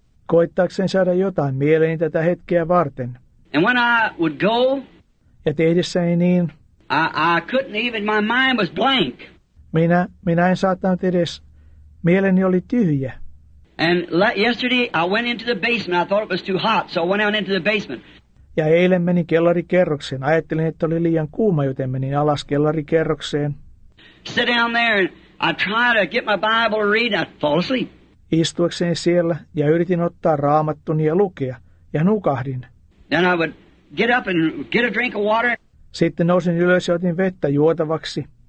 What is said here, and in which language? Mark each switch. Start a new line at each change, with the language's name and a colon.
Finnish: Koittaakseni saada jotain mieleeni tätä hetkeä varten.
English: And when I would go.
Finnish: Ja tehdessäni niin.
English: I couldn't even, my mind was blank.
Finnish: Minä en saattanut edes, mieleni oli tyhjä.
English: And yesterday I went into the basement, I thought it was too hot, so I went out into the basement.
Finnish: Ja eilen menin kellarikerrokseen, ajattelin, että oli liian kuuma, joten menin alas kellarikerrokseen.
English: Sit down there and I try to get my Bible to read, I fall asleep.
Finnish: Istuakseni siellä ja yritin ottaa raamattuni ja lukea, ja nukahdin.
English: Then I would get up and get a drink of water. Sitten nousin ylös ja otin vettä juotavaksi.